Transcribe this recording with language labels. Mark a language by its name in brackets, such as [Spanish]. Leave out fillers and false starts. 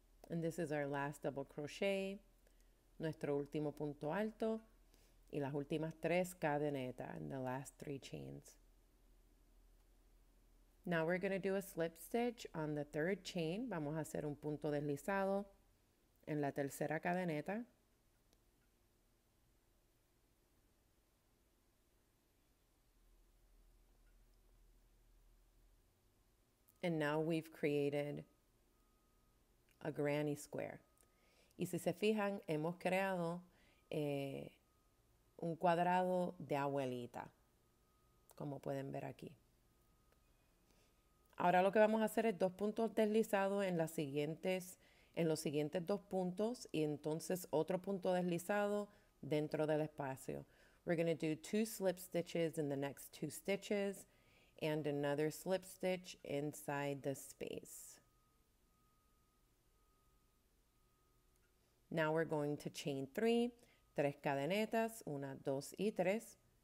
[English] And this is our last double crochet, [Spanish] nuestro último punto alto y las últimas 3 cadenetas, [English] and the last 3 chains. Now we're going to do a slip stitch on the third chain. [Spanish] Vamos a hacer un punto deslizado en la tercera cadeneta. [English] And now we've created a granny square. [Spanish] Y si se fijan, hemos creado un cuadrado de abuelita. como pueden ver aquí. Ahora lo que vamos a hacer es dos puntos deslizados en las siguientes, en los siguientes dos puntos, y entonces otro punto deslizado dentro del espacio. [English] We're going to do two slip stitches in the next two stitches and another slip stitch inside the space. Now we're going to chain three, [Spanish] tres cadenetas, una, dos y tres.